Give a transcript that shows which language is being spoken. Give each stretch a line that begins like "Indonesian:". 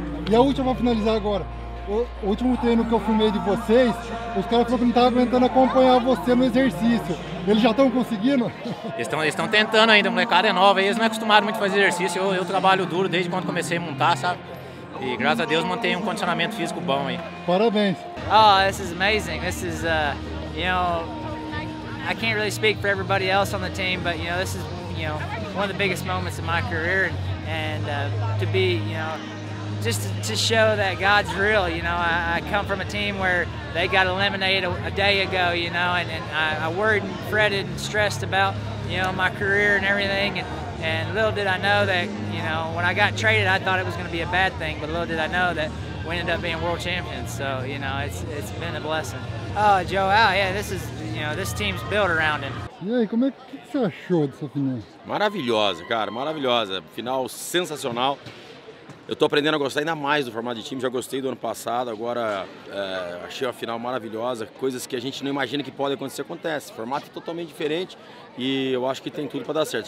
Portuguese: E a última, vou finalizar agora. O último treino que eu filmei de vocês, os caras falaram que não estavam aguentando acompanhar você no exercício. Eles já estão conseguindo? Eles estão tentando ainda, a molecada é nova, eles não é acostumado muito a fazer exercício. Eu trabalho duro desde quando comecei a montar, sabe? E graças a Deus mantenho um condicionamento físico bom aí. Parabéns.
English: Oh, this is amazing. This is, you know, I can't really speak for everybody else on the team, but, you know, this is, you know, one of the biggest moments of my career. And to be, you know, just to show that God's real, you know. I come from a team where they got eliminated a day ago, you know, and I worried and fretted and stressed about, you know, my career and everything. And little did I know that, you know, when I got traded, I thought it was going to be a bad thing. But little did I know that we ended up being world champions. So, you know, it's been a blessing. Oh, Joel, yeah, this is, you know, this team's built around him.
Portuguese: E aí, como é que você achou dessa final? Maravilhosa, cara, maravilhosa. Final sensacional. Eu tô aprendendo a gostar ainda mais do formato de time, já gostei do ano passado, agora achei a final maravilhosa, coisas que a gente não imagina que podem acontecer, acontece. Formato totalmente diferente e eu acho que tem tudo para dar certo.